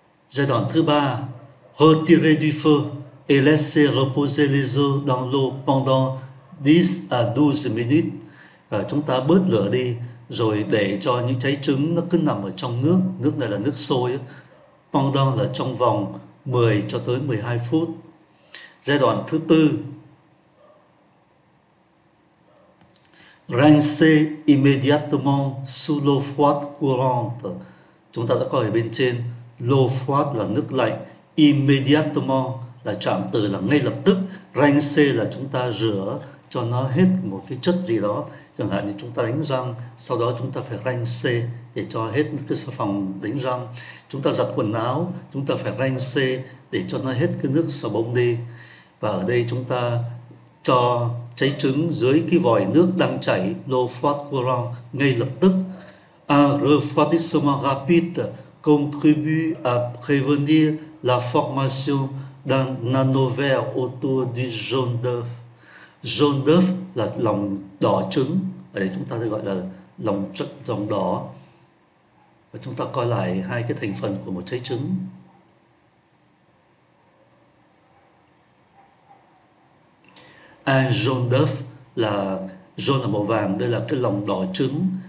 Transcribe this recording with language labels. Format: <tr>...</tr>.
<vi>Giai đoạn thứ ba,</vi> <fr>retirer du feu et laisser reposer les œufs dans l'eau pendant 10 à 12 minutes.</fr> <vi>Chúng ta bớt lửa đi, rồi để cho những trái trứng nó cứ nằm ở trong nước. Nước này là nước sôi. Pendant là trong vòng 10 cho tới 12 phút. Giai đoạn thứ tư,</vi> <fr>rincer immédiatement sous l'eau froide courante.</fr> <vi>Chúng ta đã coi ở bên trên, l'eau froide là nước lạnh, immédiatement là trạm từ là ngay lập tức, rincer là chúng ta rửa cho nó hết một cái chất gì đó. Chẳng hạn như chúng ta đánh răng, sau đó chúng ta phải rincer để cho hết cái xà phòng đánh răng. Chúng ta giặt quần áo, chúng ta phải rincer để cho nó hết cái nước xà bông đi. Và ở đây chúng ta cho trái trứng dưới cái vòi nước đang chảy,</vi> <fr>l'eau froide courante,</fr> <vi>ngay lập tức.</vi> <fr>Un refroidissement rapide contribue à prévenir la formation d'un nanovers autour du jaune d'œuf.</fr> <vi>Jaune d'œuf là lòng đỏ trứng. Ở đây chúng ta gọi là lòng đỏ. Và chúng ta coi lại hai cái thành phần của một trái trứng. Un jaune d'œuf là jaune là màu vàng, đây là cái lòng đỏ trứng.</vi>